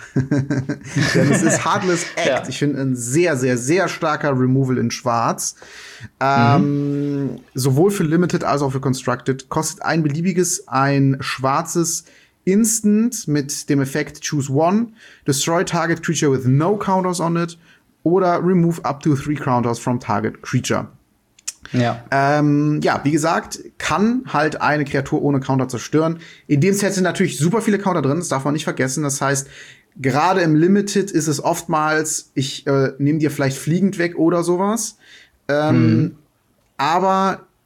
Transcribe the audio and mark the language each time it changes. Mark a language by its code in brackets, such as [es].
[de] Denn es ist Heartless Act. Ja. Ich finde, ein sehr, sehr, sehr starker Removal in Schwarz. Sowohl für Limited als auch für Constructed. Kostet ein beliebiges, ein schwarzes Instant mit dem Effekt Choose One. [en] Destroy Target Creature with no Counters on it. [de] Oder [en] Remove up to 3 Counters from Target Creature. [de] Ja. Wie gesagt, kann halt eine Kreatur ohne Counter zerstören. In dem Set sind natürlich super viele Counter drin, das darf man nicht vergessen. Das heißt, gerade im Limited ist es oftmals, ich nehme dir vielleicht fliegend weg oder sowas. Aber